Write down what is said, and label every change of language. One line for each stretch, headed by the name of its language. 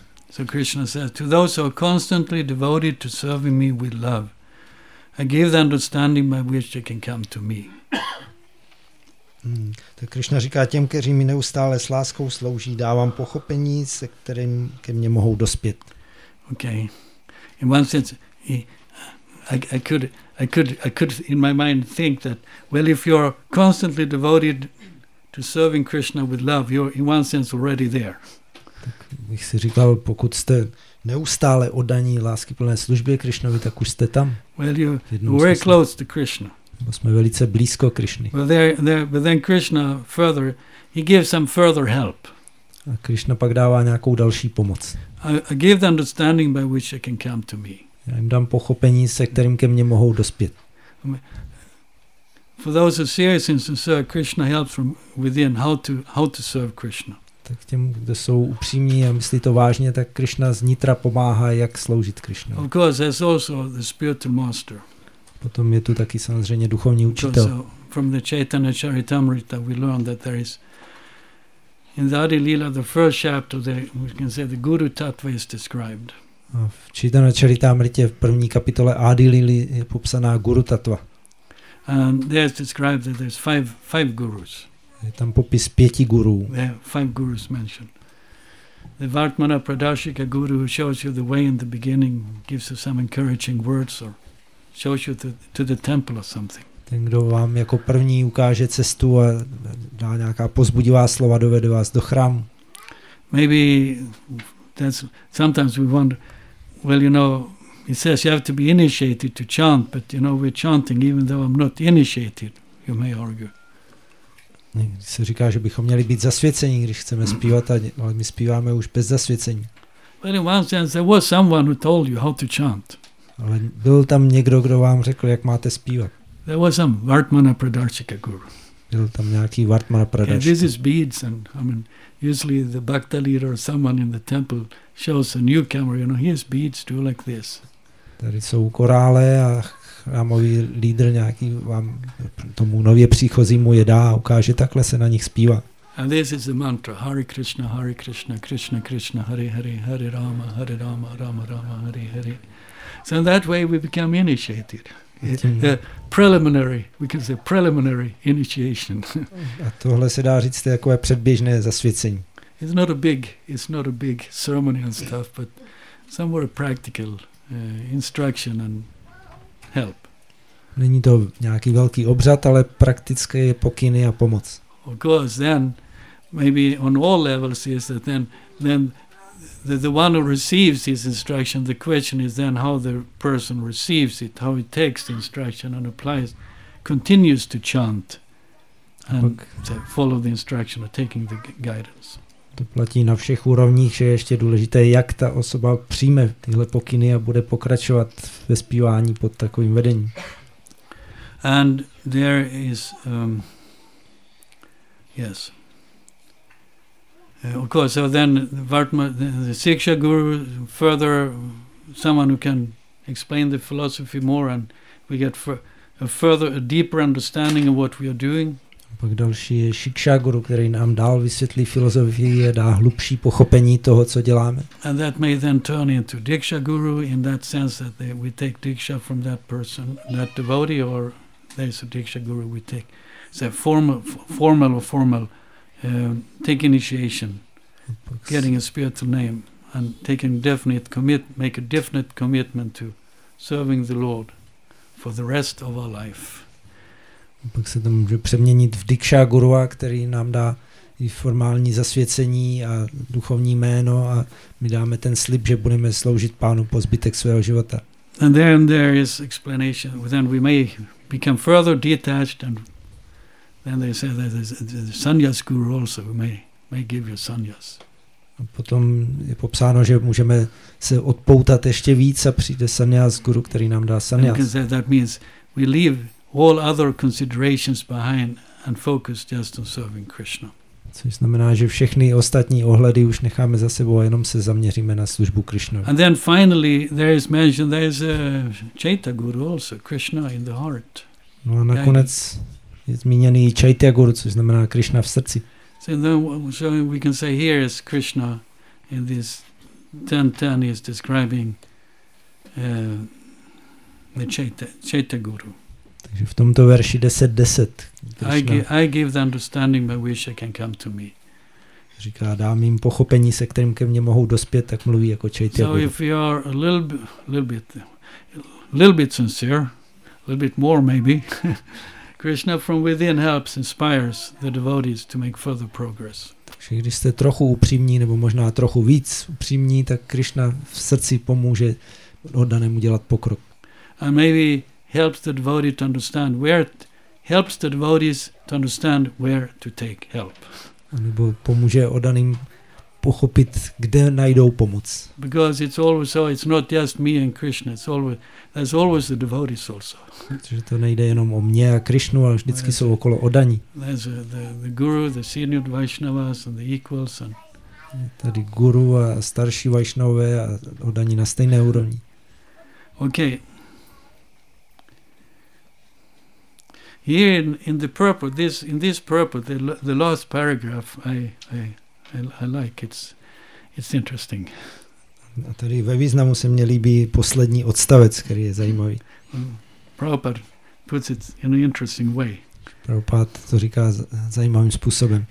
English: So Krishna says, to those who are constantly devoted to serving me with love, I give the understanding by which they can come to me.
Czech: Tak Krishna říká, těm, kteří mi neustále s láskou slouží, dávám pochopení, se kterým ke mně mohou dospět.
English: Okay. In one sense, I could in my mind think that, well, if you're constantly devoted to serving Krishna with love, you're in one sense already there.
Czech: Tak bych si říkal, pokud jste neustále oddaní lásky plné službě Krishnovi, tak už jste tam.
English: Well, you're very close to Krishna.
Czech: My jsme velice blízko Krishny.
English: But then Krishna further, he gives some further help.
Czech: A Krishna pak dává nějakou další pomoc.
English: I give the understanding by which they can come to me.
Czech: Já jim dám pochopení, se kterým ke mně mohou dospět.
English: For those who are serious and sincere, Krishna helps from within how to serve Krishna.
Czech: Tak těm, kdo jsou upřímní a myslí to vážně, tak Krishna z nitra pomáhá, jak sloužit Krishna.
English: Of course, there's also the spiritual master.
Czech: Potom je tu taky samozřejmě duchovní učitel.
English: So from the Chaitanya Charitamrita we learn that there is in the Adi Lila, the first chapter, we can say the Guru Tattva is described.
Czech: A v Chaitanya Charitamrita v první kapitole Adi Lili je popsaná Guru Tattva.
English: There is described that there's five gurus.
Czech: Je tam popis pěti gurů.
English: There are five gurus mentioned. The Vartmana Pradarshika Guru who shows you the way in the beginning, gives you some encouraging words or shows you to the temple or something.
Czech: Ten, kdo vám jako první ukáže cestu a dá nějaká pozbudivá slova, dovede vás do chrámu.
English: Maybe that's sometimes we wonder, well, you know, he says you have to be initiated to chant, but you know, we're chanting even though I'm not initiated, you may argue.
Czech: Někdy se říká, že bychom měli být zasvěcení, když chceme zpívat, ale my zpíváme už bez zasvěcení.
English: But in one sense, there was someone who told you how to chant.
Czech: Ale byl tam někdo, kdo vám řekl, jak máte zpívat.
English: There was some Vartmana Pradarshika guru.
Czech: Byl tam nějaký Vartmana Pradarshika.
English: This is beads, and I mean, usually the bhakta leader or someone in the temple shows a newcomer, you know, here's beads, do like this.
Czech: Tady jsou korále a chrámový lídr nějaký vám tomu nově příchozímu je dá a ukáže, takhle se na nich zpívá.
English: And this is the mantra, Hare Krishna, Hare Krishna, Krishna Krishna, Hare Hare, Hare Rama, Hare Rama, Rama Rama, Hare Hare. So in that way we become initiated. Preliminary initiation.
Czech: A tohle se dá říct, to je jako předběžné zasvěcení.
English: It's not a big ceremony and stuff, but somewhere practical instruction and help.
Czech: Není to nějaký velký obřad, ale praktické pokyny a pomoc.
English: Of course, then maybe on all levels is that then the one who receives his instruction, the question is then how the person receives it, how he takes the instruction and applies, continues to chant and follow the instruction or taking the guidance.
Czech: To platí na všech úrovních, že je ještě důležité, jak ta osoba přijme tyhle pokyny a bude pokračovat ve zpívání pod takovým vedením.
English: And there is, yes. Of course, so then Vartma, the Siksha Guru, further, someone who can explain the philosophy more and we get a deeper understanding of what we are doing.
Czech: Pak další je Siksha Guru, který nám dál vysvětlí filozofii a dá hlubší pochopení toho, co děláme.
English: And that may then turn into Diksha Guru in that sense that we take Diksha from that person, that devotee, or there's a Diksha Guru we take. It's a formal take initiation, getting a spiritual name and taking make a definite commitment to serving the Lord for the rest of our life.
Czech: Pak se to může přeměnit v Diksha Gurua, který nám dá i formální zasvěcení a duchovní jméno a my dáme ten slib, že budeme sloužit Pánu po zbytek svého života.
English: And then there is explanation. Then we may become further detached, and then they say that there's a sannyas guru also who may give you sannyas.
Czech: A potom je popsáno, že můžeme se odpoutat ještě víc a přijde sannyas guru, který nám dá sannyas.
English: And because that means we leave all other considerations behind and focus just on serving Krishna.
Czech: Což znamená, že všechny ostatní ohledy už necháme za sebou a jenom se zaměříme na službu Krishna.
English: And then finally there is mentioned there is a Chaita guru also, Krishna in the heart.
Czech: No a nakonec je zmíněný Chaita guru, což znamená Krishna v srdci.
English: So we can say here is Krishna in this 10-10 is describing the Chaita guru.
Czech: Takže v tomto verši 10-10.
English: I give the understanding, my wish can come to me.
Czech: Říká, dám jim pochopení, se kterým ke mně mohou dospět, tak mluví jako Chaita guru.
English: So if you are a little bit sincere, a little bit more maybe, Krishna from within helps, inspires the devotees to make further progress.
Czech: Takže když jste trochu upřímní, nebo možná trochu víc upřímní, tak Krishna v srdci pomůže oddanému dělat pokrok.
English: And maybe helps the devotee to understand where it helps the devotees to understand where to take help.
Czech: Nebo pomůže oddaným pochopit, kde najdou pomoc.
English: Because it's always so, it's not just me and Krishna, it's always, there's always the devotees also.
Czech: Protože to nejde jenom o mě a Krishnu, ale vždycky jsou okolo oddaní.
English: There's the guru, the senior Vaishnavas and the equals. And
Czech: tady guru a starší Vaishnavé a oddaní na stejné úrovni.
English: Okay. Here in the purport, in this purport, the last paragraph, I like it's interesting.
Czech: A tady ve významu se mně líbí poslední odstavec, který je zajímavý.
English: Prabhupada puts it in an interesting way.
Czech: Prabhupada to říká zajímavým způsobem.